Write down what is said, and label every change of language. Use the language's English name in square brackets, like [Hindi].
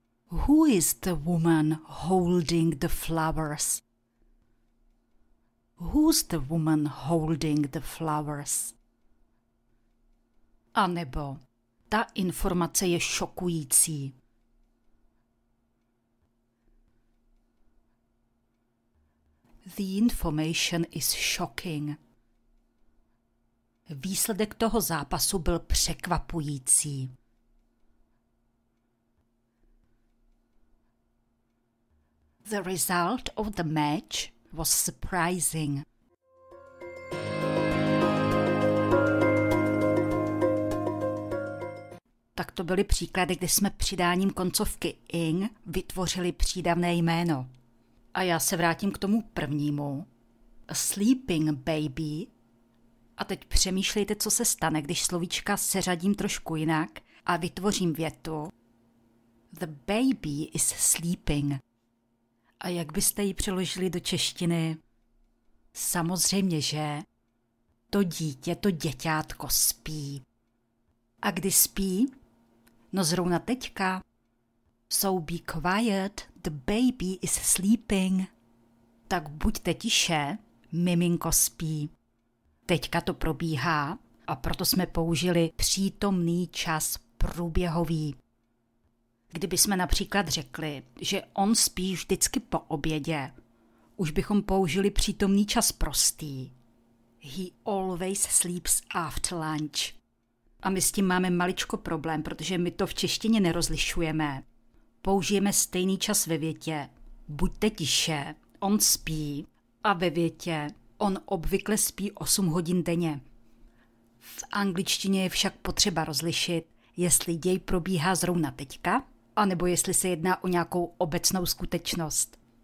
[English] Who is the woman holding the flowers? Who's the woman holding the flowers? [Czech] A nebo ta informace je šokující. [English] The information is shocking. [Czech] Výsledek toho zápasu byl překvapující. [English] The result of the match was surprising. [Czech] Tak to byly příklady, kde jsme přidáním koncovky ing vytvořili přídavné jméno. A já se vrátím k tomu prvnímu. [English] A sleeping baby. [Czech] A teď přemýšlejte, co se stane, když slovíčka seřadím trošku jinak a vytvořím větu. [English] The baby is sleeping. [Czech] A jak byste ji přeložili do češtiny? Samozřejmě, že? To dítě, to děťátko spí. A kdy spí? No zrovna teďka. [English] So be quiet, the baby is sleeping. [Czech] Tak buďte tiše, miminko spí. Teďka to probíhá a proto jsme použili přítomný čas průběhový. Kdybychom například řekli, že on spí vždycky po obědě, už bychom použili přítomný čas prostý. [English] He always sleeps after lunch. [Czech] A my s tím máme maličko problém, protože my to v češtině nerozlišujeme. Použijeme stejný čas ve větě. Buďte tiše, on spí. A ve větě, on obvykle spí 8 hodin denně. V angličtině je však potřeba rozlišit, jestli děj probíhá zrovna teďka, a nebo jestli se jedná o nějakou obecnou skutečnost.